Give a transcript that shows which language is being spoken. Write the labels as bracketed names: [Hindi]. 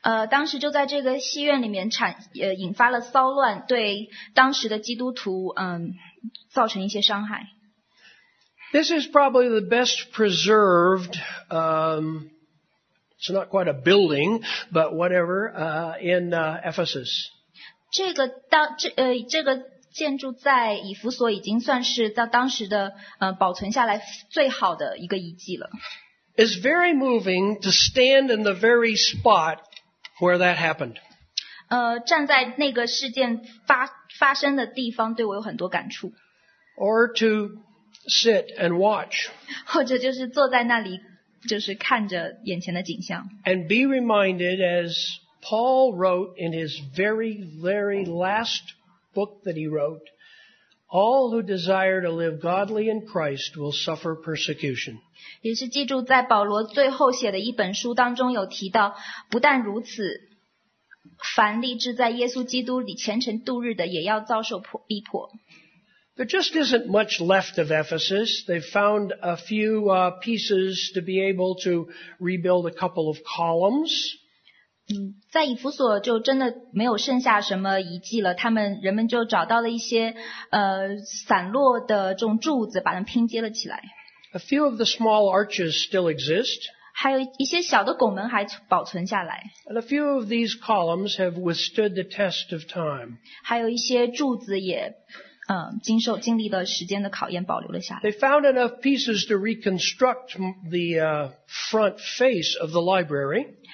[Chinese] 当时就在这个戏院里面引发了骚乱，对当时的基督徒造成一些伤害。 [English] This is probably the best preserved, it's not quite a building, but whatever, in Ephesus. [Chinese] 这个建筑在以弗所已经算是在当时的保存下来最好的一个遗迹了。 [English] It's very moving to stand in the very spot where that happened. [Chinese] 站在那个事件发生的地方对我有很多感触。 [English] Or to sit and watch. [Chinese] 或者就是坐在那里就是看着眼前的景象。 [English] And be reminded as Paul wrote in his very, very last book that he wrote, all who desire to live godly in Christ will suffer persecution. [Chinese] 也是记住在保罗最后写的一本书当中有提到，不但如此，凡立志在耶稣基督里虔诚度日的也要遭受逼迫。 [English] There just isn't much left of Ephesus. They found a few pieces to be able to rebuild a couple of columns. [Chinese] 在以弗所就真的没有剩下什么遗迹了，人们就找到了一些散落的这种柱子，把它拼接了起来。 [English] A few of the small arches still exist. [Chinese] 还有一些小的拱门还保存下来。 [English] And a few of these columns have withstood the test of time. [Chinese] 还有一些柱子也经历了时间的考验，保留了下来。 [English] They found enough pieces to reconstruct the front face of the library.